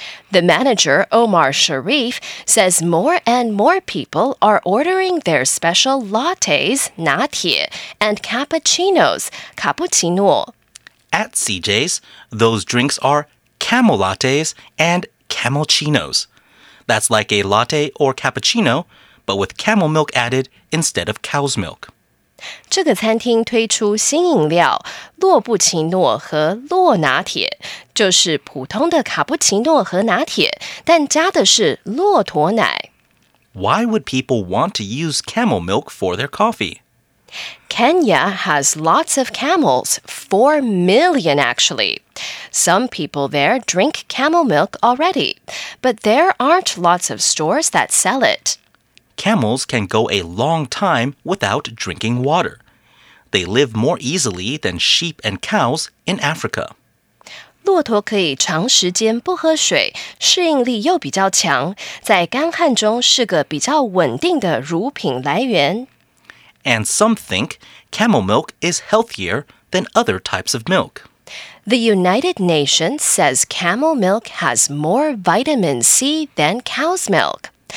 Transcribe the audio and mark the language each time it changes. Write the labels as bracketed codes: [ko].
[en] The manager, Omar Shariff, says more and more people are ordering their special lattes, 拿铁, and cappuccinos, 卡布奇諾. At CJ's, those drinks are camelattes and camel-ccinos. That's like a latte or cappuccino, but with camel milk added instead of cow's milk. [zh] 这个餐厅推出新饮料駱布奇諾和駱拿鐵，就是普通的卡布奇諾和拿鐵，但加的是駱駝奶。 [en] Why would people want to use camel milk for their coffee? Kenya has lots of camels, 4 million actually. Some people there drink camel milk already, but there aren't lots of stores that sell it. Camels can go a long time without drinking water. They live more easily than sheep and cows in Africa. [zh] 骆驼可以长时间不喝水，适应力又比较强，在干旱中是个比较稳定的乳品来源。 [en] And some think camel milk is healthier than other types of milk. The United Nations says camel milk has more vitamin C than cow's milk.